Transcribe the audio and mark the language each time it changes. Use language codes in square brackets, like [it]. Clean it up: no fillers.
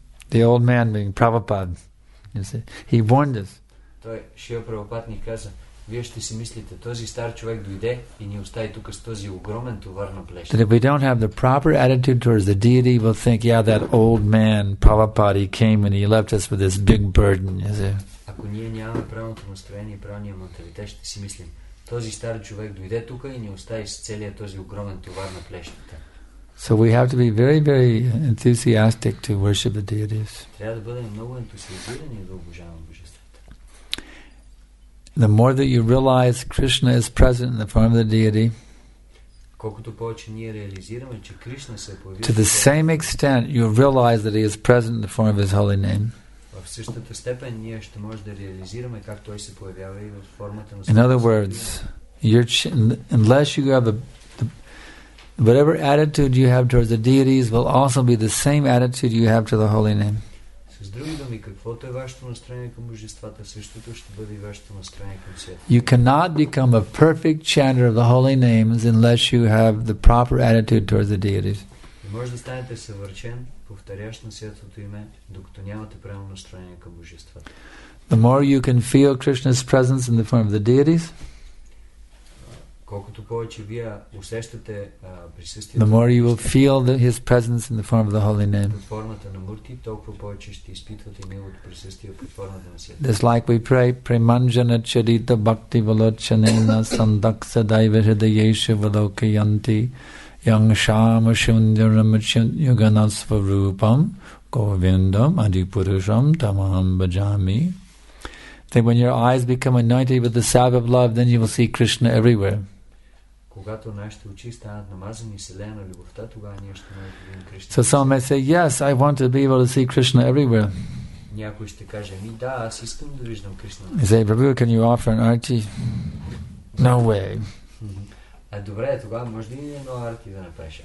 [en] The old man being Prabhupada, you see. He warned us. That if we don't have the proper attitude towards the deity, we'll think, yeah, that old man, Prabhupada, he came and he left us with this big burden, you see. [bg] ако ние нямаме правилното настроение и правилния менталитет, ще си мислим, този стар човек дойде тук и ни остави с целия този огромен товар на плещата. [en] So we have to be very, very enthusiastic to worship the deities. [bg] Трябва да бъдем много ентусиазирани да обожаваме божествата. [en] The more that you realize Krishna is present in the form of the deity, [bg] колкото повече ние реализираме, че Кришна се появи, [en] to the same extent you realize that he is present in the form of his holy name. [bg] В същата степен ние ще може да реализираме как той се появява и в формата на. [en] In other words, unless you have whatever attitude you have towards the deities will also be the same attitude you have to the holy name. [bg] С други думи, каквото е вашето настроение към божествата, същото ще бъде и вашето настроение към света. [en] You cannot become a perfect chanter of the holy names unless you have the proper attitude towards the deities. [bg] Не може да станете съвършен, повторящ на святото име, докато нямате правилно настроение към божествата. [en] The more you can feel Krishna's presence in the form of the deities, [bg] колкото повече вие усещате присъствието, [en] the more you will feel his presence in the form of the holy name. [bg] Под формата на мурти, толкова повече ще изпитвате неговото присъствие под формата на сета. [en] Just like we pray, [sa] premanjana charita bhakti valochanena sandaksa daiva hridayeshu valokayanti yam shama shundaram yoganasvarupam govindam adipurusham tamaham bhajami. [en] Then when your eyes become anointed with the salve of love, then you will see Krishna everywhere. [bg] Когато нашите очи станат намазани с елея на любовта, тогава ние ще можем да видим Кришна. [en] So some may say, yes, I want to be able to see Krishna everywhere. [bg] Някой ще каже, ми да, аз искам да виждам Кришна. [en] He say, Prabhu, can you offer an arti? No way. [bg] А добре, тогава може ли едно арти да направиш?